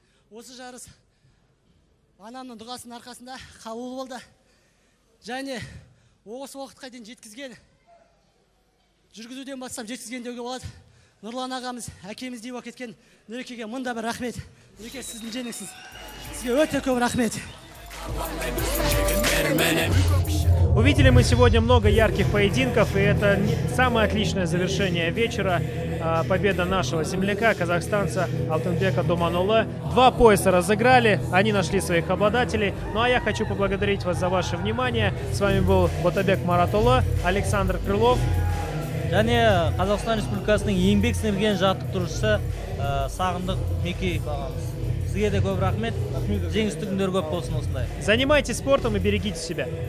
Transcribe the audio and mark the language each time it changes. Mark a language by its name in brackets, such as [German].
[Kazakh] Осы жарыс анамның дұғасының арқасында қабыл болды. Және осы уақытқа дейін жеткізген жүргізуден бастап жеткізген деуге болады. Нұрлан ағамыз, әкеміз деп кеткен Нұрекеге мында бір рахмет. Нұреке, сіздің жеңісіңіз. Сізге өте көп рахмет. [Russian] Увидели мы сегодня много ярких поединков, и это самое отличное завершение вечера. Победа нашего земляка, казахстанца Алтынбека Думанұлы. Два пояса разыграли, они нашли своих обладателей. Ну а я хочу поблагодарить вас за ваше внимание. С вами был Ботабек Маратұлы, Александр Крылов. [Kazakh] Және Қазақстан Республикасының еңбек сіңірген жаттықтырушысы Сағындық Мекеев ағамыз. Сізге де көп рахмет. Жеңісті күндер көп болсын осындай. [Russian] Занимайтесь спортом и берегите себя.